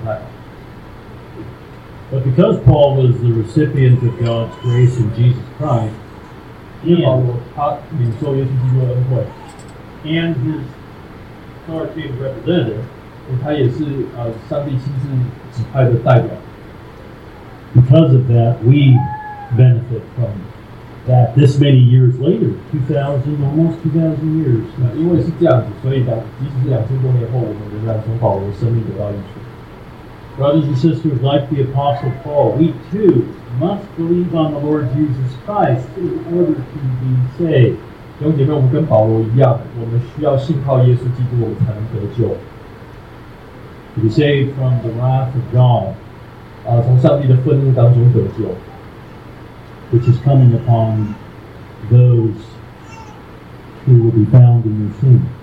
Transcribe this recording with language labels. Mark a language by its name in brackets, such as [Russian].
[Chinese] 你们可能会跟我一样，就是会说：“哎，你们就照我所做的做，而不是照我的生活榜样这样。”因为我生活榜样很不太好。But [English] because Paul was the recipient of God's grace in Jesus Christ, [Chinese] 因为保罗他领受耶稣基督的恩惠，and [English] his authoritative representative, [Chinese] 他也是上帝亲自指派的代表。 [English] Because of that, we benefit from that this many years later, 2,000, almost 2,000 years. [Chinese] 因为是这样子，所以呢，即使两千多年后，我们仍然从保罗生命得到益处。 [English] Brothers and sisters, like the Apostle Paul, we too must believe on the Lord Jesus Christ in order to be saved. [Chinese] 弟兄姐妹，我们跟保罗一样，我们需要信靠耶稣基督，我们才能得救。 [English] To be saved from the wrath of God. [Chinese] 从上帝的愤怒当中得救。 [English] Which is coming upon those who will be found in their sin.